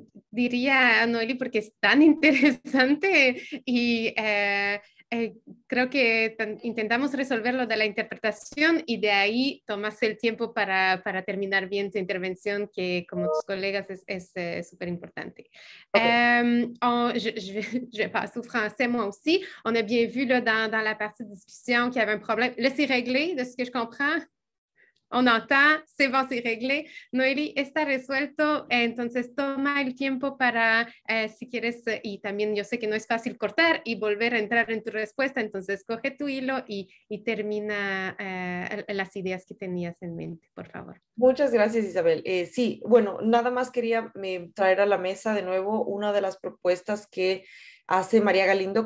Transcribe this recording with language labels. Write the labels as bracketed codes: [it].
[es] Diría a Noeli porque es tan interesante y creo que intentamos resolver lo de la interpretación y de ahí tomas el tiempo para terminar bien tu intervención, que como tus colegas es súper importante. [fr] Je passe au français moi aussi. On a bien vu là, dans la partie de discussion qu'il y avait un problème. Là, c'est réglé de ce que je comprends. On entend, c'est bon, c'est réglé. [es] Noeli, está resuelto. Entonces, toma el tiempo para, si quieres, y también yo sé que no es fácil cortar y volver a entrar en tu respuesta. Entonces, coge tu hilo y termina las ideas que tenías en mente, por favor. Muchas gracias, Isabel. Sí, bueno, nada más quería traer a la mesa de nuevo una de las propuestas que hace María Galindo.